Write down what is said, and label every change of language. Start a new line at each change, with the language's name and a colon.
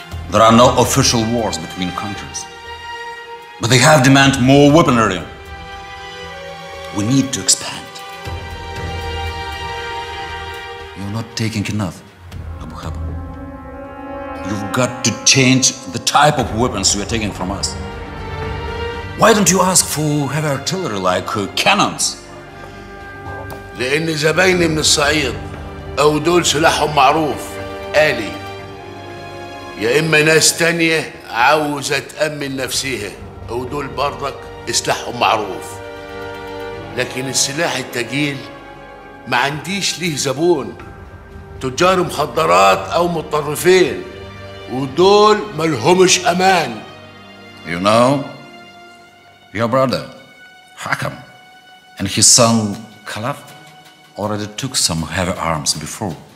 English: There are no official wars between countries, But they have demand more weaponry. We need to expand. You're not taking enough, Abu Khabar. You've got to change the type of weapons you are taking from us. Why don't you ask for heavy artillery like cannons?
Arabic: لأن زبايني من الصعيد أو دول سلاحهم معروف آلي يا إما ناس تانية عاوزة تأمن نفسها أو دول برضك سلاحهم معروف لكن السلاح التقيل ما عنديش ليه زبون تجار مخدرات أو متطرفين ودول ملهمش أمان
English: You know your brother Hakam and his son Khalaf already took some heavy arms before.